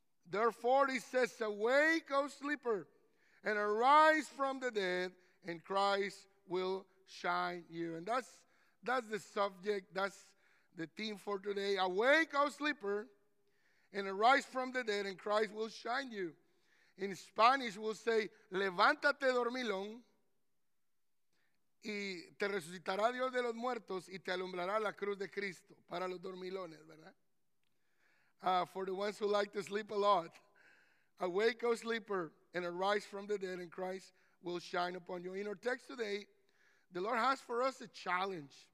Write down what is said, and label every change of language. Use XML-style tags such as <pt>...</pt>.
<en>Therefore, it says, awake, O sleeper, and arise from the dead, and Christ will shine you. And that's the subject, that's the theme for today. Awake, O sleeper, and arise from the dead, and Christ will shine you. In Spanish, we'll say,</en> <es>levántate, dormilón, y te resucitará Dios de los muertos, y te alumbrará la cruz de Cristo. Para los dormilones, ¿verdad?</es> <en>For the ones who like to sleep a lot, awake, O sleeper, and arise from the dead, and Christ will shine upon you. In our text today, the Lord has for us a challenge.</en>